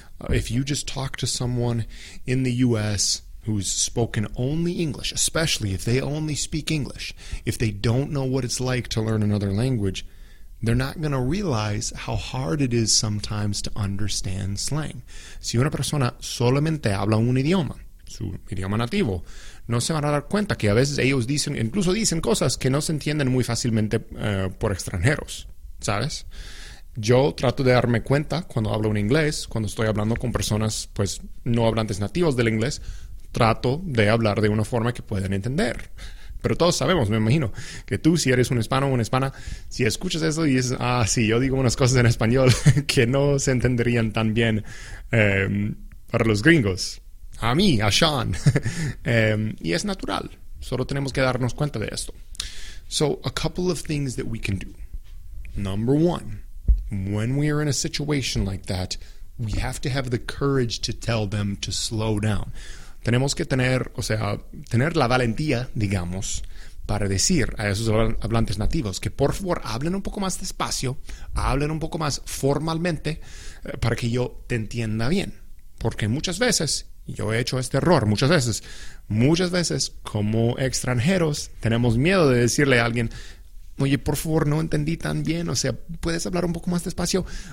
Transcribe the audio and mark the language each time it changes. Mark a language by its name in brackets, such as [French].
[English] If you just talk to someone in the U.S. who's spoken only English, especially if they only speak English, if they don't know what it's like to learn another language, they're not going to realize how hard it is sometimes to understand slang. [Spanish] Si una persona solamente habla un idioma, su idioma nativo, no se van a dar cuenta que a veces ellos dicen, incluso dicen cosas que no se entienden muy fácilmente por extranjeros, ¿sabes? Yo trato de darme cuenta cuando hablo un inglés, cuando estoy hablando con personas pues no hablantes nativos del inglés, trato de hablar de una forma que puedan entender. Pero todos sabemos, me imagino, que tú, si eres un hispano o una hispana, si escuchas eso y dices, ah, sí, yo digo unas cosas en español que no se entenderían tan bien para los gringos. A mí, a Sean. Y es natural. Solo tenemos que darnos cuenta de esto. [English] So, a couple of things that we can do. Number one, when we are in a situation like that, we have to have the courage to tell them to slow down. [Spanish] Tenemos que tener, o sea, tener la valentía, digamos, para decir a esos hablantes nativos que por favor hablen un poco más despacio, hablen un poco más formalmente para que yo te entienda bien. Porque muchas veces, yo he hecho este error, muchas veces como extranjeros tenemos miedo de decirle a alguien, oye, por favor, no entendí tan bien, o sea, ¿puedes hablar un poco más despacio?